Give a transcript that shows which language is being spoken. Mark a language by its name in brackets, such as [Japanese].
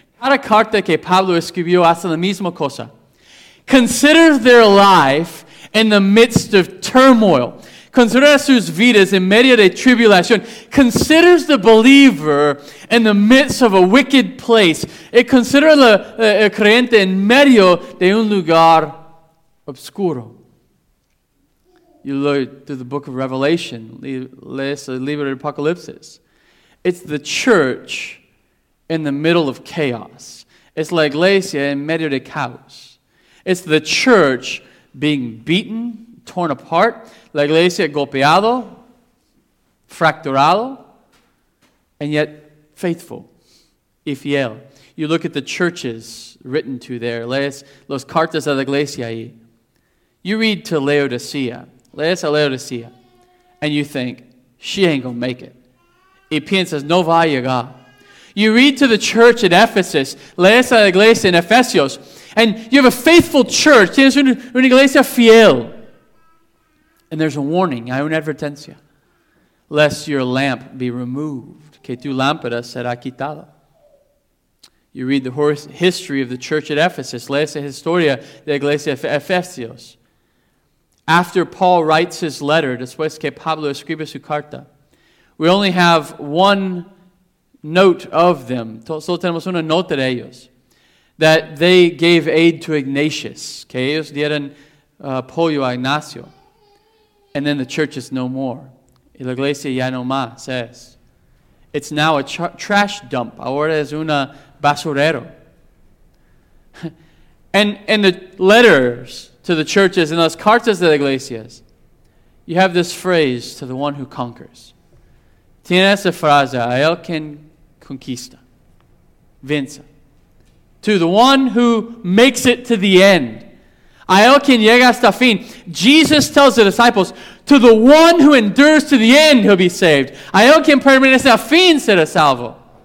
[Spanish] Cada carta que Pablo escribió hace la misma cosa. [English] Consider their life in the midst of turmoil. [Spanish] Considera sus vidas en medio de tribulación. [English] Considers the believer in the midst of a wicked place. [Spanish] Considera el creyente en medio de un lugar oscuro. [English] You look through the book of Revelation. [Spanish] Lees el libro de Apocalipsis. [English] It's the church in the middle of chaos. It's [Spanish] la iglesia en medio de caos. [English] It's the church being beaten, torn apart. [Spanish] La iglesia golpeado, fracturado, [English] and yet faithful, [Spanish] y fiel. [English] You look at the churches written to there. [Spanish] Lees los cartas a la iglesia ahí. [English] You read to Laodicea. [Spanish] Lees a Laodicea. [English] And you think, she ain't gonna make it. [Spanish] Y piensas, no va a llegar. [English] You read to the church at Ephesus. [Spanish] Lees a la iglesia en Efesios. [English] And you have a faithful church. [Spanish] Tienes una iglesia fiel. [English] And there's a warning, [Spanish] hay una advertencia. [English] Lest your lamp be removed, [Spanish] que tu lámpara será quitada. [English] You read the history of the church at Ephesus, [Spanish] lees la historia de la iglesia de Efesios. [English] After Paul writes his letter, [Spanish] después que Pablo escribe su carta, [English] we only have one note of them. [Spanish] Solo tenemos una nota de ellos. [English] That they gave aid to Ignatius. [Spanish] Que ellos dieron apoyo a Ignacio. [English] And then the church is no more. [Spanish] Y la iglesia ya no más es. [English] It's now a trash dump. [Spanish] Ahora es una basurero. [English] And the letters to the churches and [Spanish] las cartas de las iglesias, [English] you have this phrase, to the one who conquers. [Spanish] Tiene esa frase, a el que conquista, vence. [English] To the one who makes it to the end. [Spanish] A el que llega hasta fin. [English] Jesus tells the disciples, to the one who endures to the end, he'll be saved. [Spanish] A el que permanece a fin, será salvo.